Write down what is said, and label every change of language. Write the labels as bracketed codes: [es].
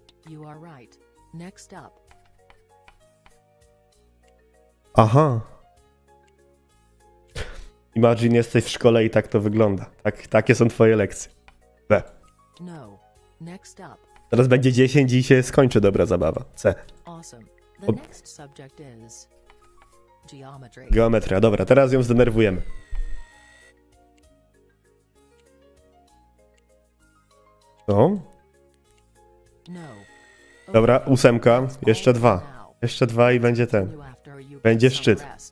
[en] You are right. Next up. Aha. Imagine, [pl] jesteś w szkole i tak to wygląda. Tak, takie są twoje lekcje. B. [en] No. Next up. [pl] Teraz będzie 10 i się skończy dobra zabawa. C. [en] Awesome. The next subject is geometry. [pl] Geometria. Dobra, teraz ją zdenerwujemy. Co? No. Dobra, ósemka. Jeszcze dwa. Jeszcze dwa i będzie ten. Będzie szczyt.